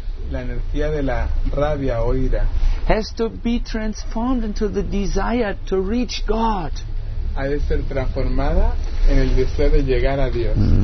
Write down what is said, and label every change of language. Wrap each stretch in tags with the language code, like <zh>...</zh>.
<es>la energía de la rabia o ira,</es> <en>has to be transformed into the desire to reach God.</en> <es>Ha de ser transformada en el deseo de llegar a Dios.</es>